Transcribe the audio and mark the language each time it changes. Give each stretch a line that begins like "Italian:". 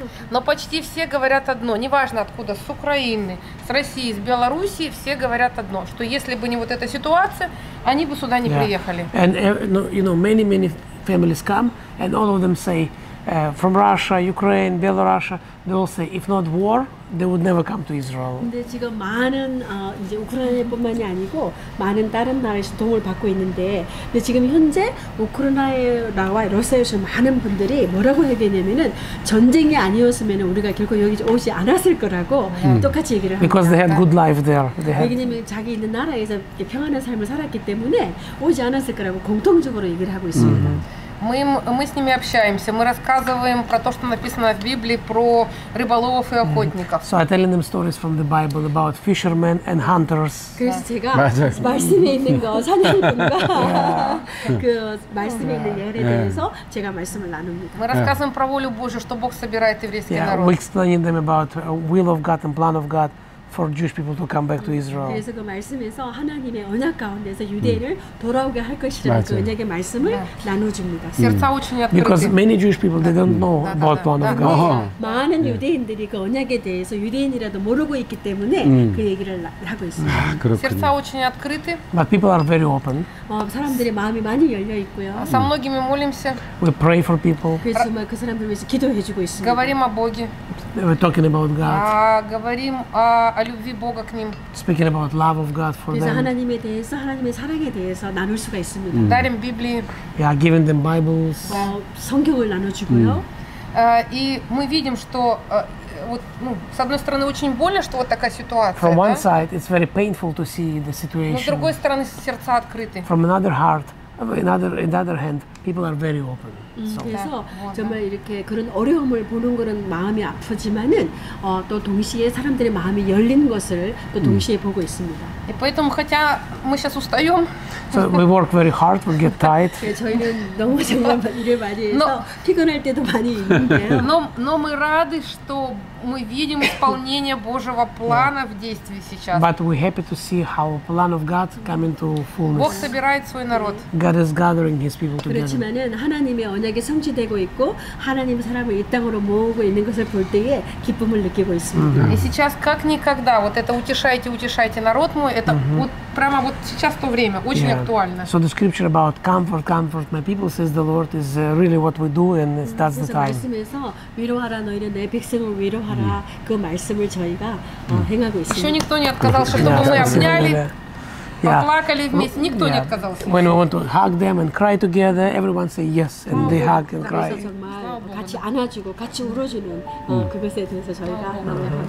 Russian: Но почти все говорят одно, неважно откуда, с Украины, с России, с Белоруссии, все говорят одно, что если бы не вот эта ситуация, они бы сюда не приехали.
English: And you know, many, many families come, and all of them say, from Russia, Ukraine, Belarus, they all say, if not war, they would never come to Israel.
Korean: 근데 지금 많은 이제 우크라이나뿐만이 아니고 많은 다른 나라에서 도움을 받고 있는데, 근데 지금 현재 우크라이나와 러시아에서 많은 분들이 뭐라고 얘기했냐면은 전쟁이 아니었으면 우리가 결코 여기 오지 않았을 거라고 똑같이 얘기를 합니다.
English: Because they had good life there. They had.
Korean: 왜냐면 자기 있는 나라에서 평안한 삶을 살았기 때문에 오지 않았을 거라고 공통적으로 얘기를 하고 있습니다.
Russian: Мы с ними общаемся, мы рассказываем про то, что написано в Библии, про рыболовов и охотников.
English: So I tell them stories from the Bible about fishermen and hunters.
Korean: 그래서 제가 말씀에 있는 거, 사냥꾼과 그 말씀에 있는 예를 대해서 제가 말씀을 나눕니다.
Russian: Мы рассказываем про волю Божию, что Бог собирает еврейский народ.
English: Yeah, we explain them about will of God and plan of God. For Jewish people to come back to Israel.
Korean: 그래서 그 말씀에서 하나님의 언약 가운데서 유대인을 돌아오게 할 것이라는 그 언약의 말씀을 나눠줍니다.
English: Because many Jewish people they don't know about the plan of God.
Korean: 많은 유대인들이 그 언약에 대해서 유대인이라도 모르고 있기 때문에 그 얘기를 하고 있습니다.
Russian: сердца очень открыты.
English: But people are very open.
Korean: 사람들의 마음이 많이 열려 있고요.
Russian: Со многими молимся.
English: We pray for people.
Korean: 그래서 그 사람들을 위해서 기도해 주고 있습니다.
Russian: Говорим о Боге.
English: We're talking about God.
Russian: говорим о любви Бога к ним.
English: Speaking about love of God for them.
Korean: 그래서 하나님에 대해서 하나님의 사랑에 대해서 나눌 수가 있습니다.
Russian: Дарим Библии.
English: Yeah, giving them Bibles.
Korean: 성경을 나눠주고요.
Russian: И мы видим, что вот ну с одной стороны очень больно, что вот такая ситуация.
English: From one side, it's very painful to see the situation.
Russian: Но с другой стороны, сердца открыты.
English: From another heart, in the other hand, people are very open.
Korean: 그래서 정말 이렇게 그런 어려움을 보는 것은 마음이 아프지만은 또 동시에 사람들의 마음이 열린 것을 또 동시에 보고 있습니다.
Russian: И поэтому хотя мы сейчас устаем.
English: So we work very hard, we get tired.
Korean: 저희는 너무 정말 일을 많이 해서 피곤할 때도 많이 있는데요.
Russian: Но мы рады, что мы видим исполнение Божьего плана в действии сейчас.
English: But we happy to see how plan of God coming to fullness.
Russian: Бог собирает свой народ.
English: God is gathering His people together.
Korean: 그렇지만은 하나님의 언약이 성취되고 있고 하나님 사람을 이 땅으로 모으고 있는 것을 볼 때에 기쁨을 느끼고 있습니다.
Russian: И сейчас как никогда вот это утешайте, утешайте народ мой. Это вот прямо вот сейчас то время очень актуально.
English: So the scripture about comfort, comfort my people, says the Lord, is really what we do, and that's the time.
Korean: 그래서 말씀에서 위로하라 너희는 내 백성을 위로하라 그 말씀을 저희가 행하고 있습니다.
Russian: Еще никто не отказался, чтобы мы обняли.
English: Yeah.
Russian: Поплакали вместе, никто не отказался.
English: When we want to hug them and cry together, everyone say yes, and they hug and cry.
Korean: 같이 안아주고 같이 울어주는 그것에 대해서 저희가 너무